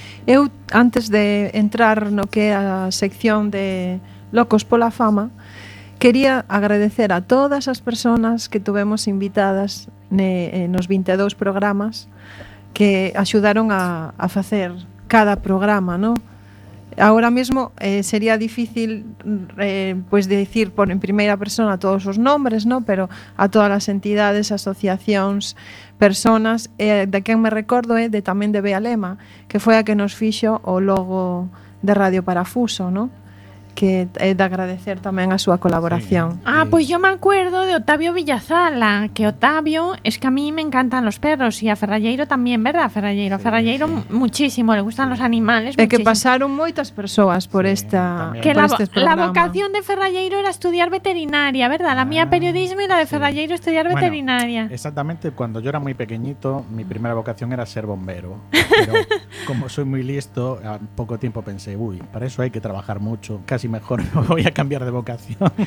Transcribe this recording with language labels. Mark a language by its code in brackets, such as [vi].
[gl] Eu, antes de entrar no que é a sección de Locos pola Fama, quería agradecer a todas as persoas que tivemos invitadas nos 22 programas que axudaron a facer cada programa, ¿no? [es] Ahora mismo sería difícil pues decir por en [gl] primeira persona todos os nombres, [es] ¿no? [gl] Pero a todas as entidades, asociacións, personas, de quen me recordo é de tamén de Bea Lema, que foi a que nos fixo o logo de Radio Parafuso, ¿no? Que é de agradecer tamén a súa colaboración. Sí. [es] Ah, pois yo me acuerdo de Octavio Villazala, que Octavio, es que a mí me encantan los perros y a Ferralleiro tamén, ¿verdad? Ferralleiro, sí, Ferralleiro sí. Muchísimo, le gustan los animales. [gl] Que pasaron moitas persoas por esta sí, que por [es] la, este programa. La vocación de Ferralleiro era estudiar veterinaria, ¿verdad? La mía periodismo y la de sí. Ferralleiro estudiar veterinaria. Bueno, exactamente, cuando yo era muy pequeñito, mi primera vocación era ser bombero. Pero como soy muy listo, a poco tiempo pensé, uy, para eso hay que trabajar mucho. Casi mejor me voy a cambiar de vocación.